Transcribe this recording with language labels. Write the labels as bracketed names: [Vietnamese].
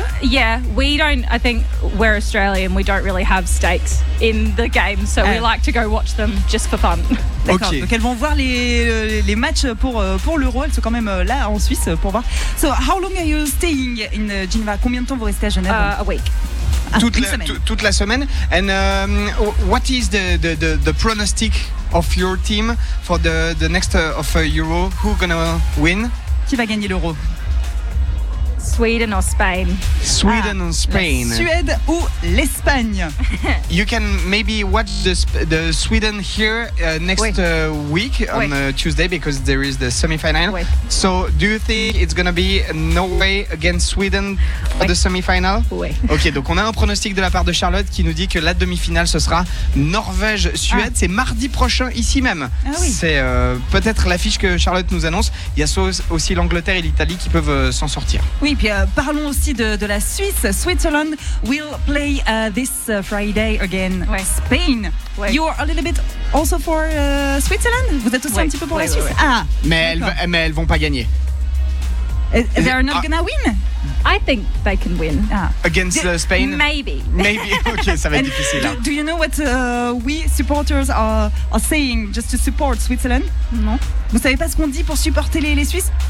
[English] I think we're Australian, we don't really have stakes in the game, so we like to go watch them just for fun. [French] D'accord, okay. Donc elles vont voir les matchs pour l'Euro, elles sont quand même là en Suisse pour voir. [English] So how long are you staying in Geneva? [French] Combien de temps vous restez à Genève? [English] A week. [French] Toute la semaine. [English] And what is the pronostic of your team for the next of Euro? Who gonna win? [French] Qui va gagner l'Euro? [English] Sweden or Spain? Sweden or Spain? [French] Suède ou l'Espagne? [English] You can maybe watch the Sweden here next week on Tuesday because there is the semi-final. [French] Oui. [English] So do you think it's gonna be Norway against Sweden for the semi-final? [French] Oui. Ok, donc on a un pronostic de la part de Charlotte qui nous dit que la demi-finale ce sera Norvège-Suède. C'est mardi prochain ici même. Ah oui. C'est peut-être l'affiche que Charlotte nous annonce. Il y a aussi l'Angleterre et l'Italie qui peuvent s'en sortir. Oui, puis parlons aussi de la Suisse. [English] Switzerland will play this Friday again. [French] Oui. [English] Spain. [French] Oui. [English] You are a little bit also for Switzerland? [French] Vous êtes aussi un petit peu pour la Suisse? Mais elles vont pas gagner. [English] They are not gonna win? I think they can win. Against Spain? Maybe. [French] Ok, ça va être difficile. [English] Do you know what we supporters are saying just to support Switzerland? [French] Non. Vous savez pas ce qu'on dit pour supporter les Suisses?